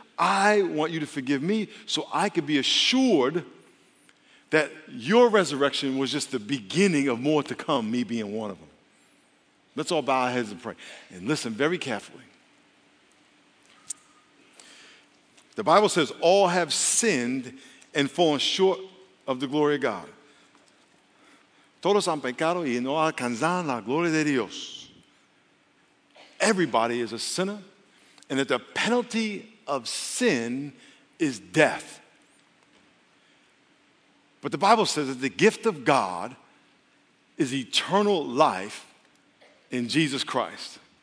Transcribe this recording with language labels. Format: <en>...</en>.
<en>I want you to forgive me so I can be assured that your resurrection was just the beginning of more to come, me being one of them. Let's all bow our heads and pray. And listen very carefully. The Bible says all have sinned and fallen short of the glory of God.</en> <es>Todos han pecado y no alcanzan la gloria de Dios.</es> <en>Everybody is a sinner, and that the penalty of sin is death. But the Bible says that the gift of God is eternal life in Jesus Christ.</en>